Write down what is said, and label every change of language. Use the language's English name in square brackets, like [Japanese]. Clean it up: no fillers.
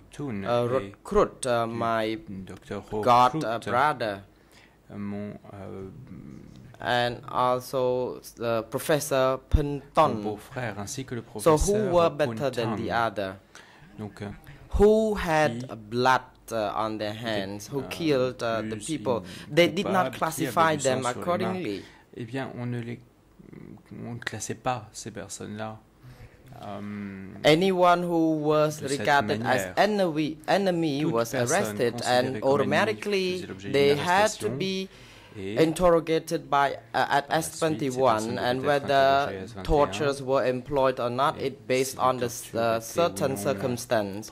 [English] Recruit, my godbrother, and also the Professor Penton. So who were better than the other? Who had blood on their hands, who killed the people? They did not classify them accordingly. [French] Eh bien, on ne classait pas ces personnes-là. [English] Anyone who was regarded as enemy was arrested, and automatically they had to be interrogated by at S21, and whether tortures were employed or not, it based on the certain circumstance.